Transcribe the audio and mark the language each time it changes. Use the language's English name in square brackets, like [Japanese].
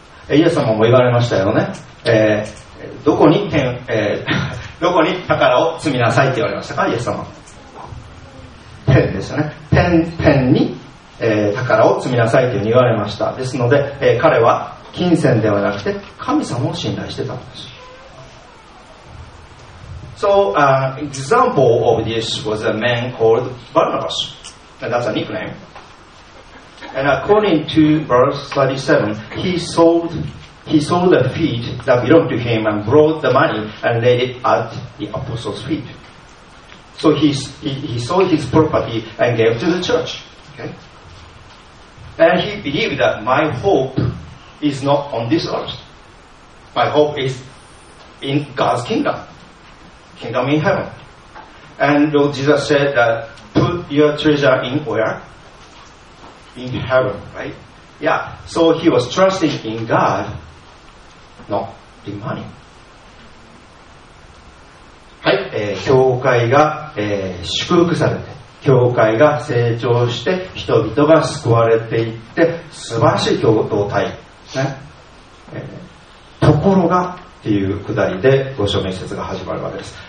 [Japanese] イエス様も言われましたよね、どこに宝を積みなさいって言われましたか。イエス様、天ですよね。天に、宝を積みなさいというふうに言われました。ですので、彼は金銭ではなくて神様を信頼してたんです。 [English] So an example of this was a man called Barnabas. That's a nickname. And according to verse 37, he sold the field that belonged to him and brought the money and laid it at the apostles' feet. So he sold his property and gave to the church. Okay. And he believed that my hope is not on this earth. My hope is in God's kingdom. Kingdom in heaven. And Lord Jesus said that put your treasure in where? In heaven, right? Yeah. So he was trusting in God, not in money. [Japanese] はい。教会が、祝福されて、教会が成長して、人々が救われていって、素晴らしい共同体。ね、ところがっていうくだりで五章面接が始まるわけです。